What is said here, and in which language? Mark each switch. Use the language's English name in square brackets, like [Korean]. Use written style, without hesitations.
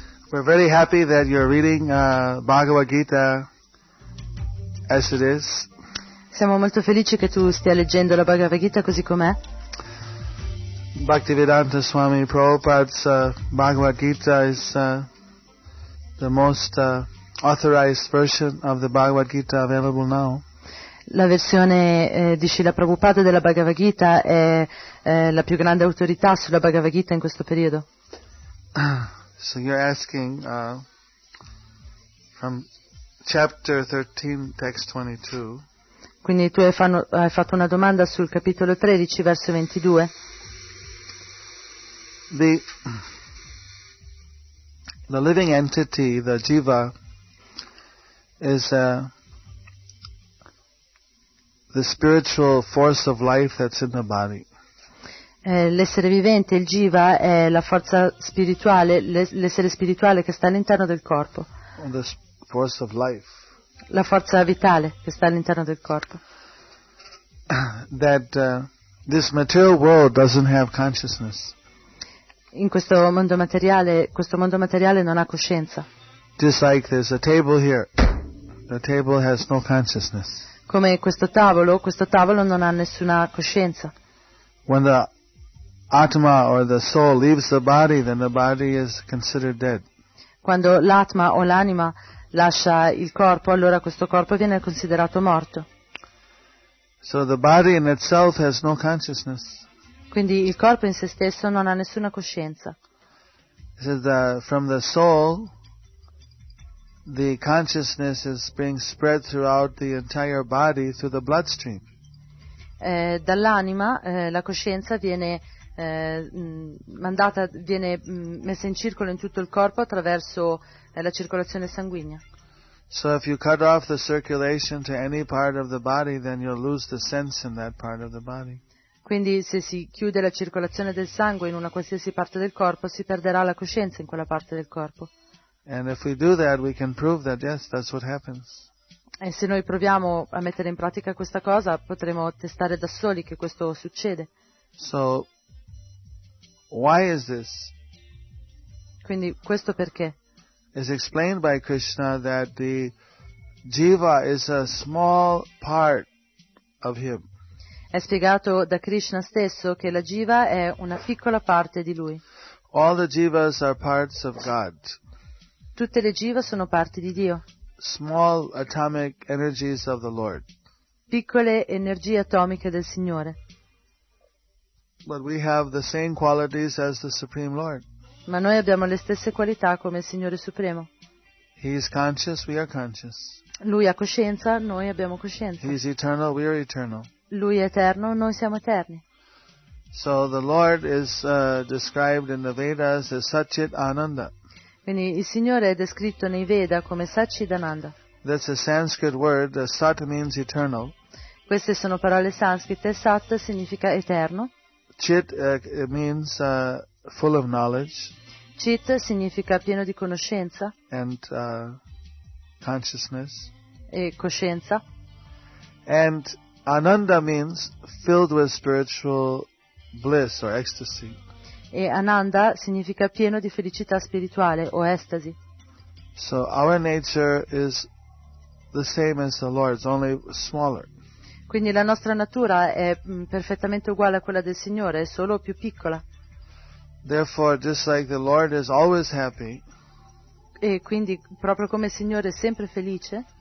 [English] We're very happy that you're reading Bhagavad Gita as it is. [Italian] Siamo molto felici che tu stia leggendo la Bhagavad Gita così com'è. [English] Bhaktivedanta Swami Prabhupada's Bhagavad Gita is the most authorized version of the Bhagavad Gita available now. [Italian] La versione di Srila Prabhupada della Bhagavad Gita è la più grande autorità sulla Bhagavad Gita in questo periodo. [English] So you're asking from chapter 13, text 22. [Italian] Quindi tu hai fatto una domanda sul capitolo 13, verso 22. [English] The living entity, the jiva, is the spiritual force of life that's in the body. [Italian] L'essere vivente, il jiva, è la forza spirituale, l'essere spirituale che sta all'interno del corpo. [English] The force of life. [Italian] La forza vitale che sta all'interno del corpo. [English] That this material world doesn't have consciousness. [Italian] In questo mondo materiale non ha coscienza. [English] Just like there's a table here, the table has no consciousness. [Italian] Come questo tavolo non ha nessuna coscienza. [English] When the Atma or the soul leaves the body, then the body is considered dead. [Italian] Quando l'atma o l'anima lascia il corpo, allora questo corpo viene considerato morto. [English] So the body in itself has no consciousness. [Italian] Quindi il corpo in se stesso non ha nessuna coscienza. [English] It says that from the soul, the consciousness is being spread throughout the entire body through the bloodstream. [Italian] Dall'anima la coscienza viene mandata, viene messa in circolo in tutto il corpo attraverso la circolazione sanguigna. [English] So if you cut off the circulation to any part of the body, then you'll lose the sense in that part of the body. [Italian] Quindi se si chiude la circolazione del sangue in una qualsiasi parte del corpo, si perderà la coscienza in quella parte del corpo. [English] And if we do that, we can prove that yes, that's what happens. [Italian] E se noi proviamo a mettere in pratica questa cosa, potremo testare da soli che questo succede. [English] So why is this? [Italian] Quindi questo perché? [English] It's explained by Krishna that the jiva is a small part of him. [Italian] È spiegato da Krishna stesso che la jiva è una piccola parte di lui. [English] All the jivas are parts of God. [Italian] Tutte le jiva sono parti di Dio. [English] Small atomic energies of the Lord. [Italian] Piccole energie atomiche del Signore. [English] But we have the same qualities as the Supreme Lord. [Italian] Ma noi abbiamo le stesse qualità come il Signore Supremo. [English] He is conscious, we are conscious. [Italian] Lui ha coscienza, noi abbiamo coscienza. [English] He is eternal, we are eternal. [Italian] Lui è eterno, noi siamo eterni. [English] So the Lord is described in the Vedas as Satchit Ananda. [Italian] Quindi il Signore è descritto nei Veda come Satchit Ananda. [English] That's a Sanskrit word. Sat means eternal. [Italian] Queste sono parole sanscrite. Sat significa eterno. [English] Chit means full of knowledge. [Italian] Chit significa pieno di conoscenza. [English] And consciousness. [Italian] E coscienza. [English] And Ananda means filled with spiritual bliss or ecstasy. [Italian] E Ananda significa pieno di felicità spirituale o estasi. [English] So our nature is the same as the Lord's, only smaller. [Italian] Quindi la nostra natura è perfettamente uguale a quella del Signore, è solo più piccola. [English] Therefore, just like the Lord is always happy. [Italian] E quindi proprio come il Signore è sempre felice.